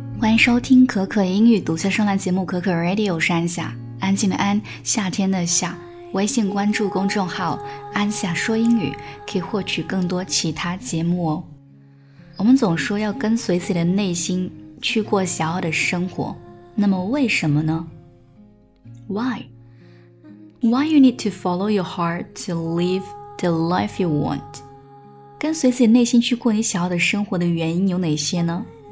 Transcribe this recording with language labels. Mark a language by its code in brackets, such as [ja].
[zh] 迎收听可可英语独家声浪节目可可 Radio 山下，安静的安，夏天的夏。微信关注公众号安夏说英语，可以获取更多其他节目哦。我们总说要跟随自己的内心去过想要的生活，那么为什么呢？ [en] Why you need to follow your heart to live the life you want? [zh] 跟随自己内心去过你想要的生活的原因有哪些呢？